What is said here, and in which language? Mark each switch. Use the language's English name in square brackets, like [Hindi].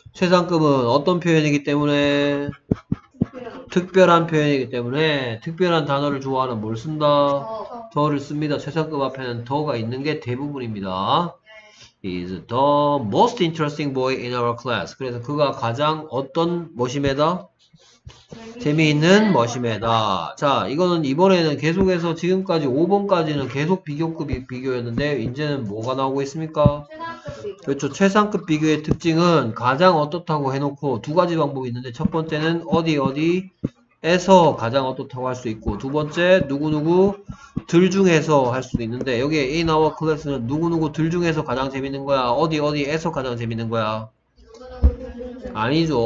[Korean] 최상급은 어떤 표현이기 때문에 특별한 표현이기 때문에 특별한 단어를 좋아하는 뭘 쓴다. 더를 씁니다. 최상급 앞에는 더가 있는 게 대부분입니다. 네. [English] Is the most interesting boy in our class. [Korean] 그래서 그가 가장 어떤 머시메다? 재미있는 머시메다. 자, 이거는 이번에는 계속해서 지금까지 5번까지는 계속 비교급이 비교였는데 이제는 뭐가 나오고 있습니까? 최상급 비교. 그렇죠. 최상급 비교의 특징은 가장 어떻다고 해놓고 두 가지 방법이 있는데 첫 번째는 어디 어디에서 가장 어떻다고 할 수 있고 두 번째 누구누구 들 중에서 할 수도 있는데 여기에 [English] in our class [Korean] 는 누구누구 들 중에서 가장 재밌는 거야? 어디 어디에서 가장 재밌는 거야? 아니죠.